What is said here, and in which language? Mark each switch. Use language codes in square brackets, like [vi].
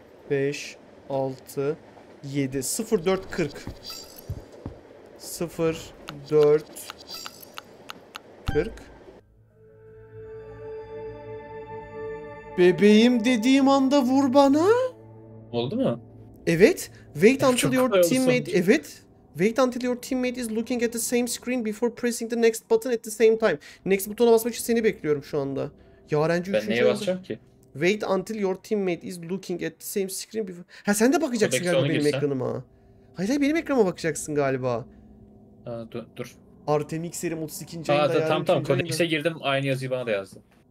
[tr] 5, 6, 7, 0, 4, 40. 0, 4, 40. Bebeğim dediğim anda vur bana. Oldu mu? Evet. [en] Wait until your teammate. [tr] Evet. [en] Wait until your teammate is looking at the same screen before pressing the next button at the same time. [tr] Next butona basmak için seni bekliyorum şu anda. Yarenci ben neye basacağım ki? [en] Wait until your teammate is looking at the same screen before. [tr] Ha sen de bakacaksın galiba benim ekranıma. Hayır benim ekrana bakacaksın galiba. Dur. Artemix serim 32. ayında yarın. Tamam. Kodex'e girdim. Aynı yazıyı bana da yazdı.